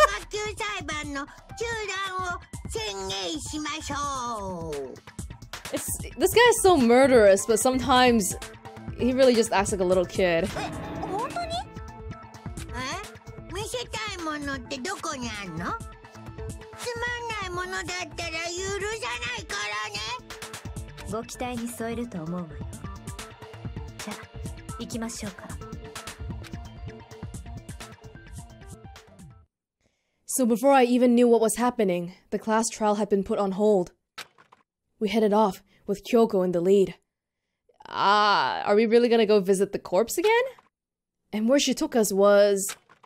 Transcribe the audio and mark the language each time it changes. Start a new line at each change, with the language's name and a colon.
Japanese: 学級裁判の中断を宣言しましょう。
English: This guy is so murderous, but sometimes he really just acts like a little kid.
Japanese: え、本当に？え、見せたいものってどこにあんの？つまんないものだったら許さないからね。ご期待に添えると思うわよ。じゃあ行きましょうか。
English: So before I even knew what was happening, the class trial had been put on hold. We headed off with Kyoko in the lead. Are we really gonna go visit the corpse again? And where she took us was...